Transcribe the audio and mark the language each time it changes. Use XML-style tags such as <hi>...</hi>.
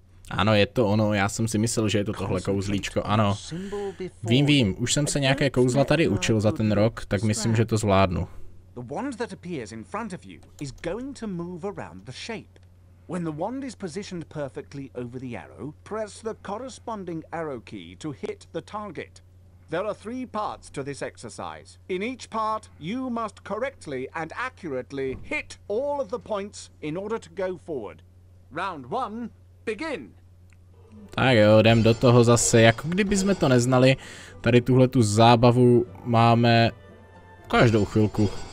<cs>Ano, je to ono, já jsem si myslel, že je to tohle kouzlíčko, ano. Vím, vím, už jsem se nějaké kouzla tady učil za ten rok, tak myslím, že to zvládnu.</cs> <en>The wand that appears in front of you is going to move around the shape. When the wand is positioned perfectly over the arrow, press the corresponding arrow key to hit the target. There are three parts to this exercise. In each part, you must correctly and accurately hit all of the points in order to go forward. Round one. Begin.</en> <cs>Tak jo, jdem do toho zase, jako kdybychom to neznali, tady tuhle tu zábavu máme každou chvilku.</cs>